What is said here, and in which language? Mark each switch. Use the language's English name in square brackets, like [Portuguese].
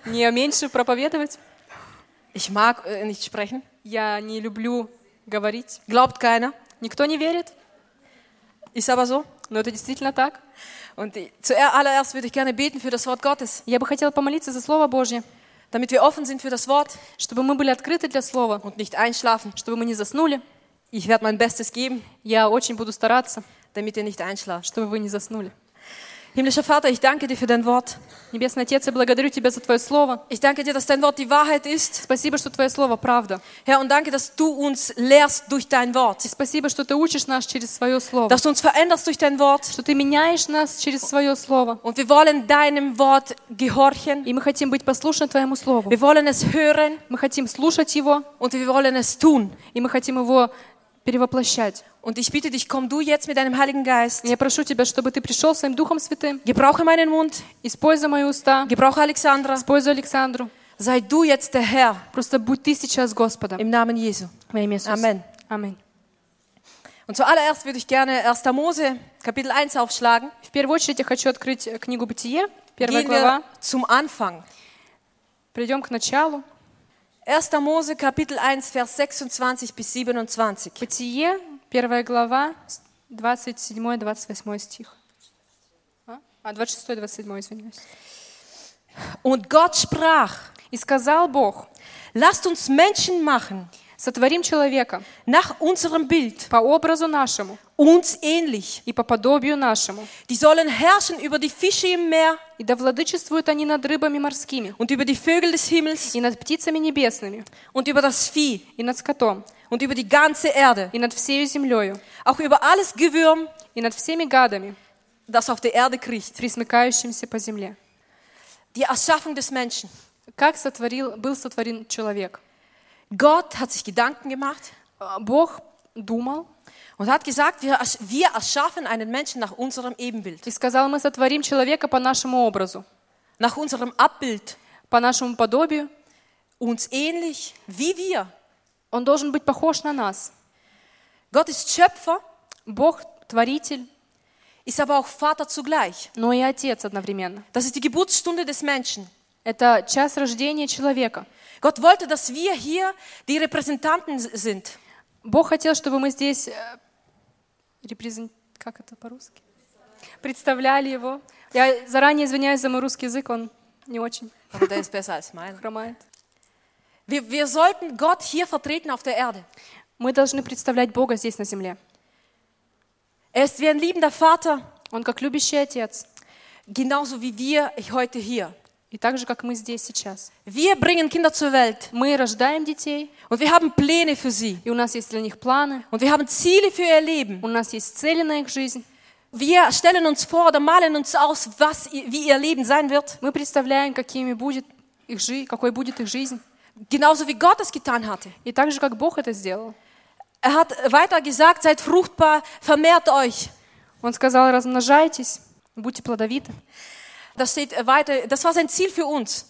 [Russian] Не меньше проповедовать. [German] Ich mag nicht sprechen. [Russian] Я не люблю говорить. [German] Glaubt keiner. [Russian] Никто не верит. [German] Ist aber so. [Russian] Но это действительно так. [German] Und zuallererst würde ich gerne beten für das Wort Gottes. [Russian] Я бы хотела помолиться за Слово Божье. [German] Damit wir offen sind für das Wort. [Russian] Чтобы мы были открыты для Слова. [German] Und nicht einschlafen. [Russian] Чтобы мы не заснули. [German] Ich werde mein Bestes geben. [Russian] Я очень буду стараться, [German] damit ihr nicht einschlaft, [Russian] чтобы вы не заснули. [German] Himmlischer Vater, ich danke dir für dein Wort. [Russian] Небесный Отец, я благодарю тебя за твое слово. [German] Ich danke dir, dass dein Wort die Wahrheit ist. [Russian] Спасибо, что твое слово правда. [German] Herr, und danke, dass du uns lehrst durch dein Wort. [Russian] И спасибо, что ты учишь нас через свое слово. [German] Dass du uns veränderst durch dein Wort. [Russian] Что ты меняешь нас через свое слово. [German] Und wir wollen deinem Wort gehorchen. [Russian] И мы хотим быть послушны твоему слову. [German] Wir wollen es hören. [Russian] Мы хотим слушать его. [German] Und wir wollen es tun. [Russian] И мы хотим его перевоплощать. [German] Und ich bitte dich, komm du jetzt mit deinem Heiligen Geist. [Russian] Я прошу тебя, чтобы ты пришел своим Духом Святым. [German] Gebrauche meinen Mund. [Russian] Используй мои уста. [German] Gebrauche Alexandra. [Russian] Используй Александру. [German] Sei du jetzt der Herr. [Russian] Просто будь ты сейчас Господом. [German] Im Namen Jesu. [Russian] Во имя Иисуса. [German] Amen. [Russian] Amen. [German] Und zuallererst würde ich gerne 1. Mose, Kapitel 1 aufschlagen. [Russian] В первую очередь я хочу открыть книгу Бытие, первая глава. [German] Zum Anfang. [Russian] Придем к началу. [German] 1. Mose, Kapitel 1, Vers 26 bis 27. [Russian] Bытие, 1 глава, 27-28 стих. 26-27, извиняюсь. [German] Und Gott sprach, [Russian] и сказал Бог, [German] lasst uns Menschen machen, [Russian] сотворим человека, [German] nach unserem Bild, [Russian] по образу нашему, [German] uns ähnlich, [Russian] и по подобию нашему, [German] die sollen herrschen über die Fische im Meer, [Russian] и да владычествуют они над рыбами морскими, [German] und über die Vögel des Himmels, [Russian] и над птицами небесными, [German] und über das Vieh, [Russian] и над скотом, [German] und über die ganze Erde, [Russian] и над всею землею, [German] auch über alles Gewürm, [Russian] и над всеми гадами, [German] das auf der Erde kriecht, [Russian] присмыкающимся по земле. [German] Die Erschaffung des Menschen. [Russian] Как сотворил, был сотворен человек? [German] Gott hat sich Gedanken gemacht, [Russian] Бог думал, [German] und hat gesagt, wir erschaffen einen Menschen nach unserem Ebenbild. [Russian] И сказал, мы сотворим человека по нашему образу. [German] Nach unserem Abbild. [Russian] По нашему подобию. [German] Uns ähnlich, wie wir. [Russian] Он должен быть похож на нас. [German] Gott ist Schöpfer, [Russian] Бог творитель. [German] Ist aber auch Vater zugleich. [Russian] Но и отец одновременно. [German] Das ist die Geburtsstunde des Menschen. [Russian] Это час рождения человека. [German] Gott wollte, dass wir hier die Repräsentanten sind. [Russian] Бог хотел, чтобы мы здесь как это по-русски? Представляли его. Я заранее извиняюсь за мой русский язык, он не очень. Хромает. [German] Wir sollten Gott hier vertreten auf der Erde. [Russian] Мы должны представлять Бога здесь на земле. [German] Er ist wie ein liebender Vater, [Russian] und как любящий отец, [German] genauso wie wir heute hier. [Russian] И так же, как мы здесь сейчас. [German] Wir bringen Kinder zur Welt, [Russian] мы рождаем детей, [German] und wir haben Pläne für sie, [Russian] и у нас есть для них планы, [German] und wir haben Ziele für ihr Leben, [Russian] у нас есть цели на их жизнь. [German] Wir stellen uns vor oder malen uns aus, was, wie ihr Leben sein wird. [Russian] Мы представляем, какими будет их жизнь, какой будет их жизнь. [German] Genauso wie Gott es getan hatte. [Russian] И так же, как Бог это сделал. [German] Er hat weiter gesagt, seid fruchtbar, vermehrt euch. [Russian] Он сказал, размножайтесь, будьте плодовиты. [German] Das steht weiter, das war sein Ziel für uns.